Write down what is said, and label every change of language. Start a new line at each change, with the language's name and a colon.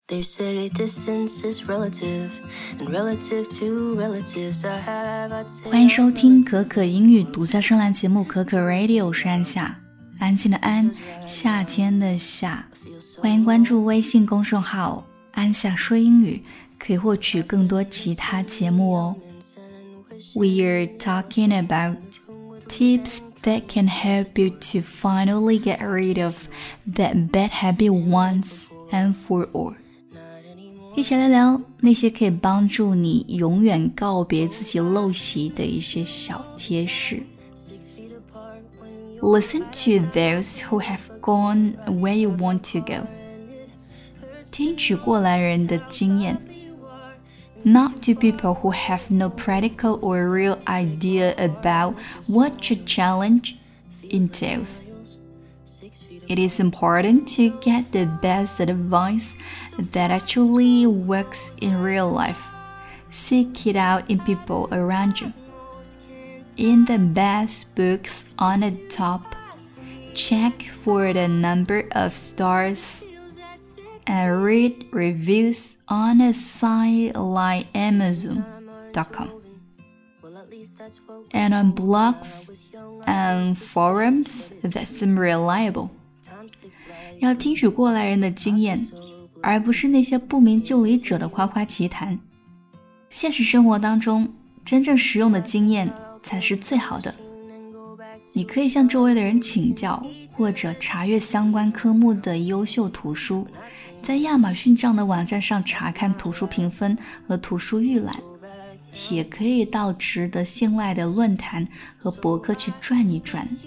English: They say distance is relative, and relative to relatives, I have a taste.
Chinese: 欢迎收听可可英语独家专栏节目可可 Radio， 是安夏，安静的安，夏天的夏。欢迎关注微信公众号安夏说英语，可以获取更多其他节目哦。
English: We are talking about tips that can help you to finally get rid of that bad habit once and for all.
Chinese: 一起来聊那些可以帮助你永远告别自己陋习的一些小贴士。
English: Listen to those who have gone where you want to go.
Chinese: 听取过来人的经验。
English: Not to people who have no practical or real idea about what your challenge entails. It is important to get the best advice that actually works in real life. Seek it out in people around you. In the best books on the top, check for the number of stars. And read reviews on a site like Amazon.com. And on blogs and forums that seem reliable.
Chinese: 要听取过来人的经验，而不是那些不明就里者的夸夸其谈。现实生活当中，真正实用的经验才是最好的。你可以向周围的人请教，或者查阅相关科目的优秀图书，在亚马逊这样的网站上查看图书评分和图书预览，也可以到值得信赖的论坛和博客去转一转。